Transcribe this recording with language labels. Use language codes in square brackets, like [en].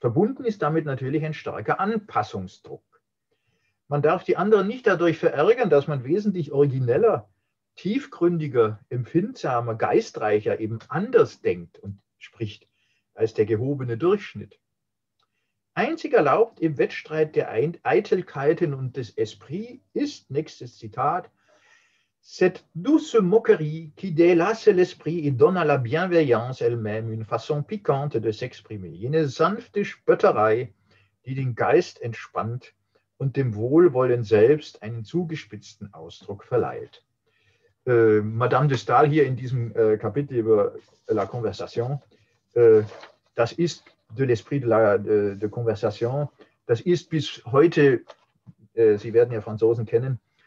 [de] Verbunden ist damit natürlich ein starker Anpassungsdruck. Man darf die anderen nicht dadurch verärgern, dass man wesentlich origineller, tiefgründiger, empfindsamer, geistreicher eben anders denkt und spricht als der gehobene Durchschnitt. Einzig erlaubt im Wettstreit der Eitelkeiten und des Esprit ist, nächstes Zitat, [fr] cette douce moquerie qui délasse l'esprit et donne à la bienveillance elle-même une façon piquante de s'exprimer. [de] Jene sanfte Spötterei, die den Geist entspannt und dem Wohlwollen selbst einen zugespitzten Ausdruck verleiht. Madame de Stael hier in diesem Kapitel über La Conversation, das ist de l'esprit de Conversation, das ist bis heute, Sie werden ja Franzosen kennen,